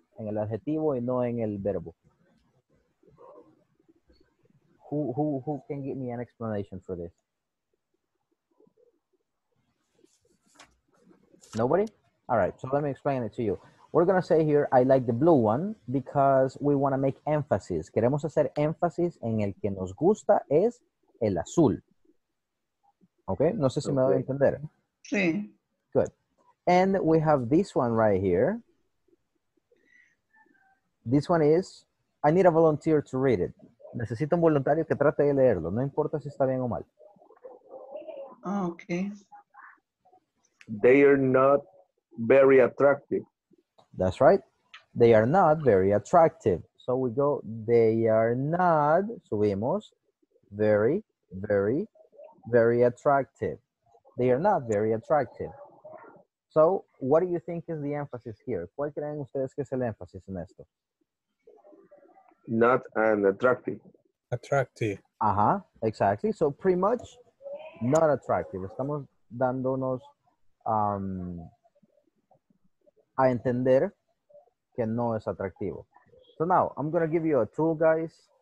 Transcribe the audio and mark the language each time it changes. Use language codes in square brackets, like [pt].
[es] En el adjetivo y no en el verbo. [en] Who can give me an explanation for this? Nobody? All right, so let me explain it to you. We're going to say here, I like the blue one, because we want to make emphasis. [es] Queremos hacer énfasis en el que nos gusta es el azul. Okay? No sé si me voy a entender. Sí. [en] Good. And we have this one right here. This one is, I need a volunteer to read it. [es] Necesito un voluntario que trate de leerlo. No importa si está bien o mal. [en] Oh, okay. They are not very attractive. That's right. They are not very attractive. So we go, they are not, [es] subimos, [en] very, very, very attractive. They are not very attractive. So, what do you think is the emphasis here? [es] ¿Cuál creen ustedes que es el énfasis en esto? [en] Not an attractive. Attractive. Ajá, exactly. So, pretty much, not attractive. [es] Estamos dándonos a entender que no es atractivo. [en] So, now, I'm going to give you a tool, guys.